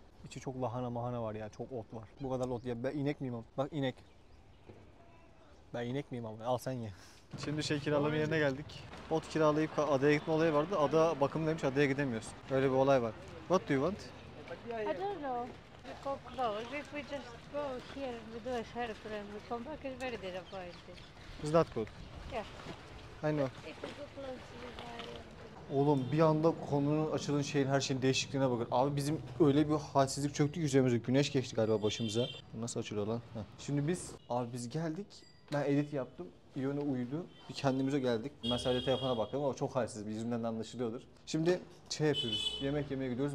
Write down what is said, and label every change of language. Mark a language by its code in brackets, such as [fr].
[tr] İçi çok lahana mahana var ya, çok ot var. Bu kadar ot ya, ben inek miyim? Bak inek. Ben inek miyim abi? Al sen ye. Şimdi şey kiralama yerine geldik. Ot kiralayıp adaya gitme olayı vardı. Ada bakım demiş, adaya gidemiyoruz. Öyle bir olay var. [en] What do you want? I don't know. We go close. If we just go here and we do a circle and we come back, it's very disappointing. Is that good? Yeah. I know. If we go close, we [tr] oğlum bir anda konunun açılın şeyin her şeyin değişikliğine bakın. Abi bizim öyle bir halsizlik çöktü ki üzerimize. Güneş geçti galiba başımıza. Nasıl açılıyor lan? Heh. Şimdi biz, abi biz geldik. Ben edit yaptım. İyone uyudu. Bir kendimize geldik. Mesela telefona baktım ama çok halsiz. Yüzümden de anlaşılıyordur. Şimdi şey yapıyoruz. Yemek yemeye gidiyoruz.